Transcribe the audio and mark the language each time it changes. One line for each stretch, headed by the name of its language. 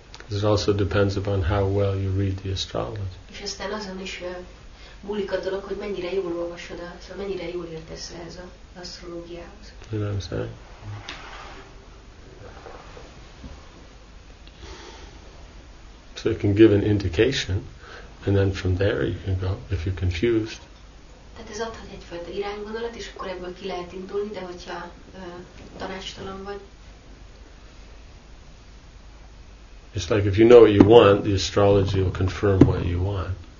English: It also depends upon how well you read the astrology.
Hungarian: És aztán azon is múlik a dolog, hogy mennyire jól olvasod, szóval mennyire jól értesz ez a asztrológiához.
English: You know what I'm saying? So it can give an indication, and then from there you can go if you're confused.
Hungarian: Tehát ez adhat egyfajta iránygondolat, és akkor ebből ki lehet indulni, de hogyha tanácstalan vagy.
English: It's like if you know what you want, the astrology will confirm what you want.